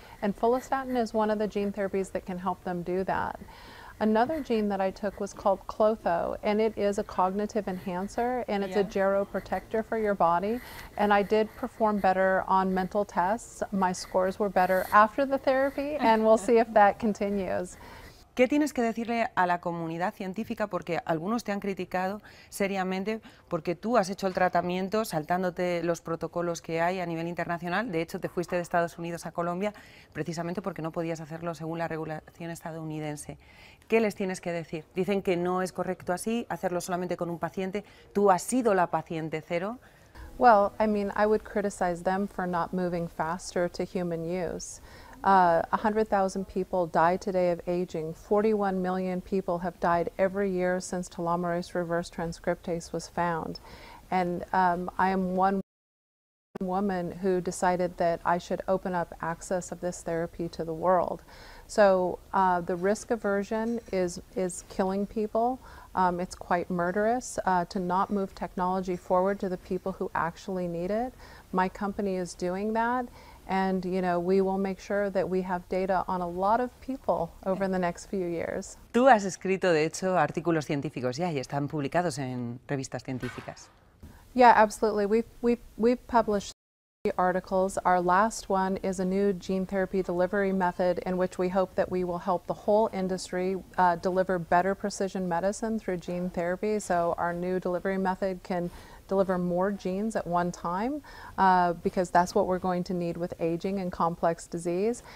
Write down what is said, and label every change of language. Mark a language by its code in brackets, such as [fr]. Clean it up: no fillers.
[en] And follistatin is one of the gene therapies that can help them do that. Another gene that I took was called Clotho, and it is a cognitive enhancer, and it's, yeah, a geroprotector for your body. And I did perform better on mental tests. My scores were better after the therapy, and we'll see if that continues. [es] ¿Qué tienes que decirle a la comunidad científica? Porque algunos te han criticado seriamente porque tú has hecho el tratamiento saltándote los protocolos que hay a nivel internacional. De hecho, te fuiste de Estados Unidos a Colombia precisamente porque no podías hacerlo según la regulación estadounidense. ¿Qué les tienes que decir? Dicen que no es correcto así, hacerlo solamente con un paciente. Tú has sido la paciente cero. [en] Well, I mean, I would criticize them for not moving faster to human use. 100,000 people die today of aging. 41 million people have died every year since telomerase reverse transcriptase was found. And I am one woman who decided that I should open up access of this therapy to the world. So the risk aversion is killing people. It's quite murderous to not move technology forward to the people who actually need it. My company is doing that. And, you know, we will make sure that we have data on a lot of people over the next few years. [es] Tú has escrito, de hecho, artículos científicos ya y están publicados en revistas científicas. [en] Yeah, absolutely. We've published three articles. Our last one is a new gene therapy delivery method in which we hope that we will help the whole industry deliver better precision medicine through gene therapy. So our new delivery method can deliver more genes at one time because that's what we're going to need with aging and complex disease.